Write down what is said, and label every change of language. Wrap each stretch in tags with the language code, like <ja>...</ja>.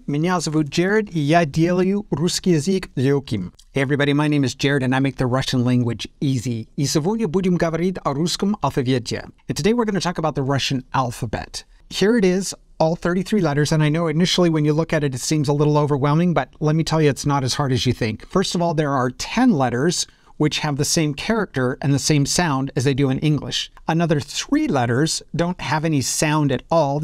<ru>Меня зовут Jared, и я делаю русский язык легким.</ru> <en>Hey everybody, my name is Jared, and I make the Russian language easy.</en> <ru>И сегодня будем говорить о русском алфавите.</ru> <en>And today we're going to talk about the Russian alphabet. Here it is, all 33 letters, and I know initially when you look at it, it seems a little overwhelming, but let me tell you, it's not as hard as you think. First of all, there are 10 letters which have the same character and the same sound as they do in English. Another 3 letters don't have any sound at all.</en>